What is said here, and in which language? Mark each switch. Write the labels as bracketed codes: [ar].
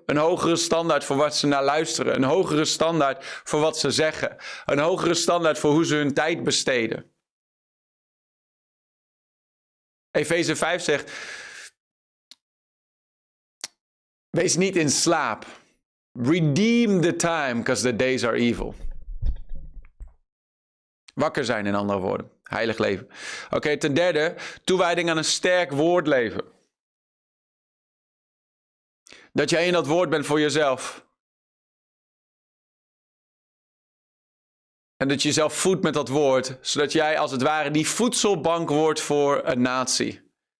[nl] Een hogere standaard voor wat ze naar luisteren. Een hogere standaard voor wat ze zeggen. Een hogere standaard voor hoe ze hun tijd besteden. Efeze 5 zegt, wees niet in slaap. [en] Redeem the time, because the days are evil. [nl] Wakker zijn in andere woorden, heilig leven. Oké, ten derde, toewijding aan een sterk woord leven. Dat jij in dat woord bent voor jezelf. En dat je jezelf voedt met dat woord, zodat jij als het ware die voedselbank wordt voor een natie.